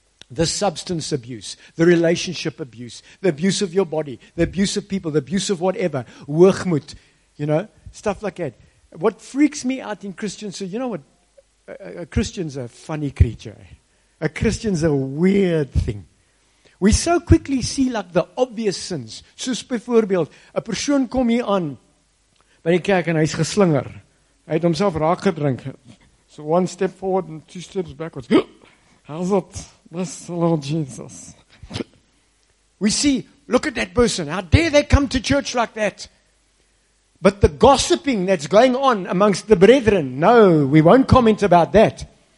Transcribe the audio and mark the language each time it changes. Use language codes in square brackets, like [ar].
[en] The substance abuse, the relationship abuse, the abuse of your body, the abuse of people, the abuse of whatever, hoogmoed, you know, stuff like that. What freaks me out in Christians, so you know what, a Christian's a funny creature. A Christian's a weird thing. We so quickly see like the obvious sins. [af] Soos bijvoorbeeld, a persoon kom hier aan by die kerk en hy is geslinger. Hy het homself raak gedrink. [en] So one step forward and two steps backwards. How's that? Bless the Lord Jesus. We see, look at that person. How dare they come to church like that? But the gossiping that's going on amongst the brethren, no, we won't comment about that.